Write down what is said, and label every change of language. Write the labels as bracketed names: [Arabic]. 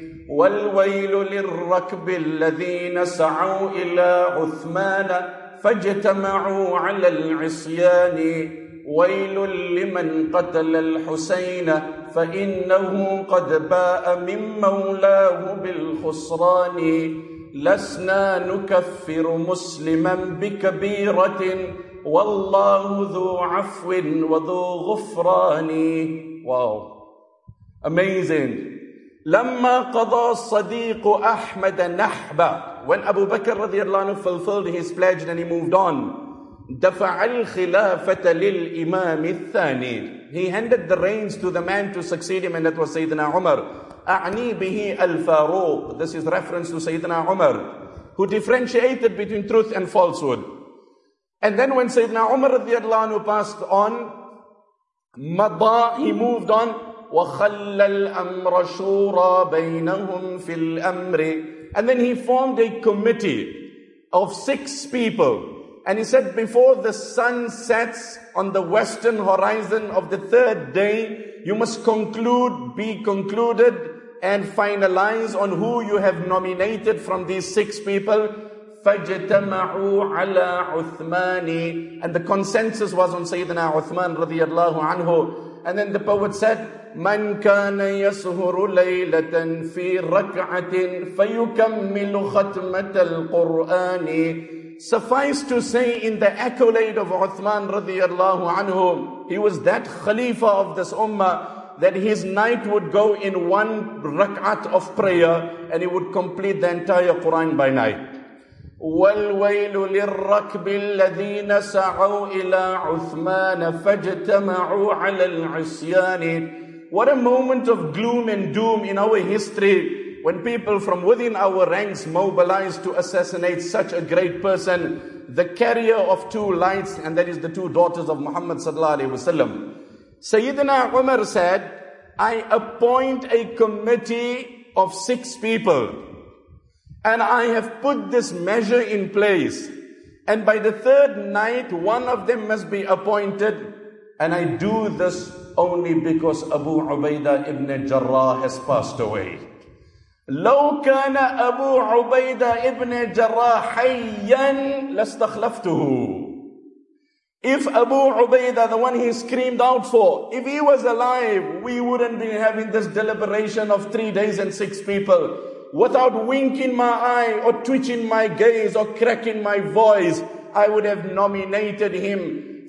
[Arabic] والويل للركب الذين سعوا إلى عثمان فاجتمعوا على العصيان ويل لمن قتل الحسين فإنه قد باء من مولاه بالخسران لسنا نكفر مسلما بكبيرة والله ذو عفو وذو غفران. [English] Wow amazing. [Arabic] لَمَّا قَضَى الصَّدِيقُ أَحْمَدَ نَحْبَ. [English] When Abu Bakr radiallahu anhu fulfilled his pledge and he moved on, [Arabic] دَفَعَ الْخِلَافَةَ لِلْإِمَامِ الثَّانِي. [English] He handed the reins to the man to succeed him, and that was Sayyidina Umar. [Arabic] أَعْنِي بِهِ الْفَارُوقُ. [English] This is reference to Sayyidina Umar, who differentiated between truth and falsehood. And then when Sayyidina Umar radiallahu anhu passed on, [Arabic] مَضَى, [English] he moved on, [Arabic] وَخَلَّ الْأَمْرَ شُورَى بَيْنَهُمْ فِي الْأَمْرِ. [English] And then he formed a committee of six people. And he said, before the sun sets on the western horizon of the third day, you must conclude, be concluded, and finalize on who you have nominated from these six people. [Arabic] فَجْتَمَعُوا عَلَىٰ عُثْمَانِ. [English] And the consensus was on Sayyidina Uthman رضي الله عنه. And then the poet said, [Arabic] مَنْ كَانَ يَسْهُرُ لَيْلَةً فِي رَكْعَةٍ فَيُكَمِّلُ خَتْمَةَ الْقُرْآنِ. [English] Suffice to say, in the accolade of Uthman radiallahu anhu, he was that khalifa of this ummah that his night would go in one rak'at of prayer and he would complete the entire Quran by night. [Arabic] وَالْوَيْلُ لِلْرَكْبِ الَّذِينَ سَعَوْا إِلَىٰ عُثْمَانَ فَاجْتَمَعُوا عَلَىٰ الْعِسْيَانِ. [English] What a moment of gloom and doom in our history when people from within our ranks mobilized to assassinate such a great person, the carrier of two lights, and that is the two daughters of Muhammad sallallahu alaihi wasallam. Sayyidina Umar said, I appoint a committee of six people and I have put this measure in place, and by the third night one of them must be appointed, and I do this only because Abu Ubaidah ibn Jarrah has passed away. [Arabic] لو كان أبو عبيدة ابن جراح حياً لاستخلفته. [English] If Abu Ubaidah, the one he screamed out for, if he was alive, we wouldn't be having this deliberation of 3 days and six people. Without winking my eye or twitching my gaze or cracking my voice, I would have nominated him.